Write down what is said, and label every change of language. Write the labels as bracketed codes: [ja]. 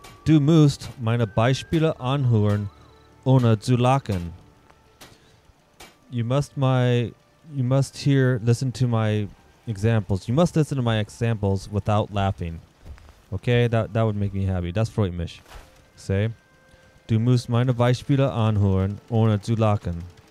[de] Du musst meine Beispiele anhören, ohne zu lachen. [en] You must listen to my examples without laughing. Okay, that would make me happy. That's [de] Freud mich. [en] Say, [de] du musst meine Beispiele anhören, ohne zu lachen.